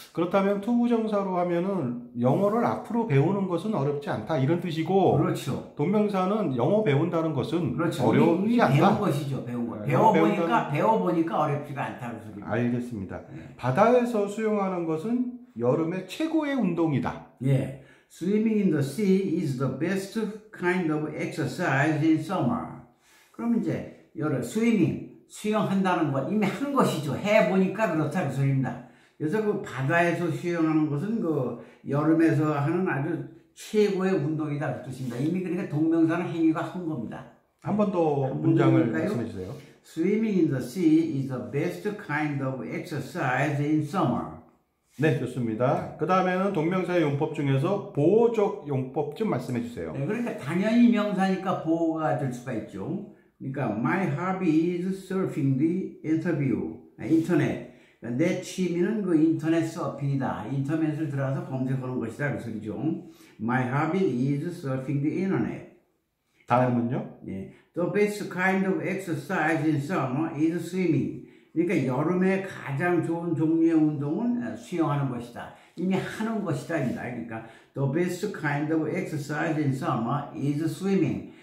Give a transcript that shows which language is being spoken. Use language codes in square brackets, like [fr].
[ko] 그렇다면 to 부정사로 하면은 영어를 앞으로 배우는 것은 어렵지 않다 이런 뜻이고 그렇죠. 동명사는 영어 배운다는 것은 그렇죠. 어려우지 이미 않다. 배운 것이죠. 배운 것. 배워보니까 배워보니까 어렵지가 않다는 소리입니다. 알겠습니다. 네. 바다에서 수영하는 것은 여름의 최고의 운동이다. 예. [en] Swimming in the sea is the best kind of exercise in summer. [ko] 그럼 이제 여름 스위밍 수영한다는 것 이미 한 것이죠. 해보니까 그렇다 그 소리입니다. 그래서 그 바다에서 수영하는 것은 그 여름에서 하는 아주 최고의 운동이다 그 뜻입니다. 이미 그러니까 동명사는 행위가 한 겁니다. 한 번 더 문장을 말씀해 주세요. [en] Swimming in the sea is the best kind of exercise in summer. [ko] 네, 좋습니다. 그 다음에는 동명사의 용법 중에서 보호적 용법 좀 말씀해 주세요. 네, 그러니까 당연히 명사니까 보호가 될 수가 있죠. 그러니까 [en] my hobby is surfing the internet. [ko] 내 취미는 그 인터넷 서핑이다. 인터넷을 들어가서 검색하는 것이다. 그 소리죠. [en] My hobby is surfing the internet. [ko] 다음은요? 네. [en] The best kind of exercise in summer is swimming. [ko] 그러니까 여름에 가장 좋은 종류의 운동은 수영하는 것이다. 이미 하는 것이다. 그러니까 [en] the best kind of exercise in summer is swimming.